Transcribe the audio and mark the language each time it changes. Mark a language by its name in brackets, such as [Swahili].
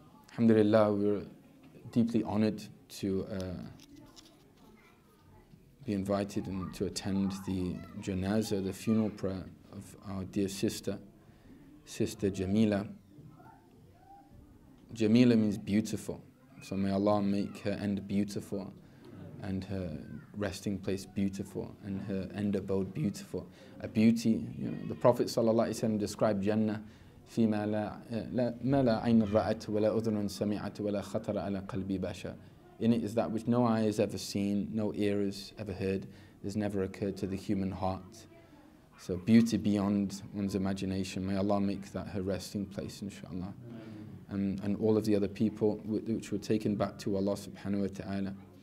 [English] Alhamdulillah, we're deeply honored to be invited and to attend the janazah, the funeral prayer of our dear sister, Sister Jamila. Jamila means beautiful, so may Allah make her end beautiful and her resting place beautiful and her end abode beautiful. A beauty, you know, the Prophet ﷺ described Jannah, [Arabic] فِيمَا مَا لَا عَيْنَ رَأَتْ وَلَا أُذْرٌ سَمِعَتْ وَلَا خَطَرَ عَلَى قَلْبِ بَشَرٍ. [English] In it is that which no eye has ever seen, no ear has ever heard, has never occurred to the human heart. So beauty beyond one's imagination. May Allah make that her resting place, inshallah. And all of the other people which were taken back to Allah subhanahu wa ta'ala.